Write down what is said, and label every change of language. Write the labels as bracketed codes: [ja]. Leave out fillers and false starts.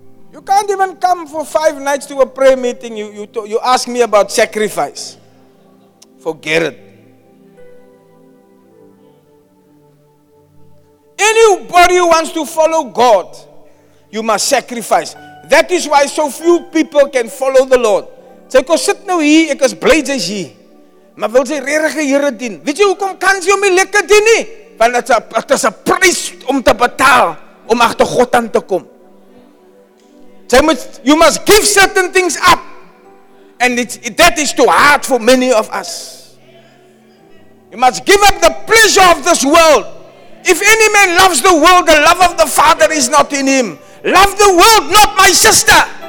[en] You can't even come for 5 nights to a prayer meeting. You ask me about sacrifice. Forget it. Anybody who wants to follow God, you must sacrifice. That is why so few people can follow the Lord. Say, [af] "Ko sit nou hier, ek is bly jy's hier." Maar wil jy regtig die Here dien? Weet jy hoekom kan jy hom nie lekker dien nie? Want dit is 'n prys om te betaal om agter God aan te kom. [en] You must give certain things up. And that is too hard for many of us. You must give up the pleasure of this world. If any man loves the world, the love of the Father is not in him. Love the world, not my sister.